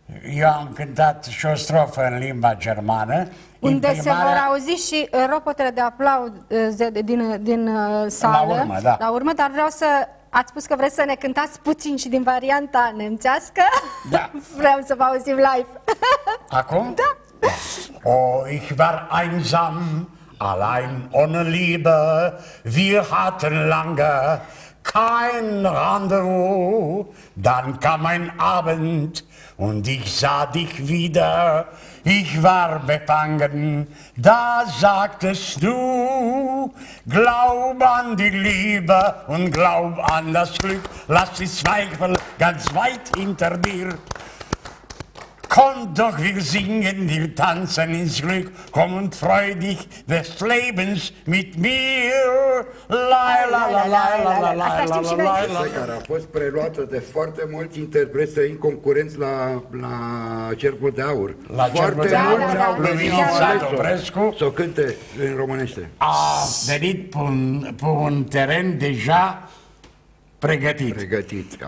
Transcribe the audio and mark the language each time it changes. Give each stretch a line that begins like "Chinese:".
Romanian: Eu am cântat și o strofă în limba germană. Unde se vor auzi și ropotele de aplauze din sală. La urmă, da. La urmă, dar vreau să... Ați spus că vreți să ne cântați puțin și din varianta nemțească? Da. Vreau să vă auzim live. Acum? Da.
German: Oh, ich war einsam, allein ohne Liebe, wir hatten lange kein Rendezvous, dann kam ein Abend und ich sah dich wieder, ich war befangen, da sagtest du, glaub an die Liebe und glaub an das Glück, lass die Zweifel ganz weit hinter dir. Komm doch, wir singen, wir tanzen ins Glück, komm und freu dich des Lebens mit mir. Laila, la la la la la la la la la.
Romanian: Care a fost preluată de foarte mulți interpreți săi în concurenți la Cercul de Aur. La foarte Cercul de Aur, lui Vinovat Oprescu. S-o cânte în românește. A venit pe un teren deja pregătit,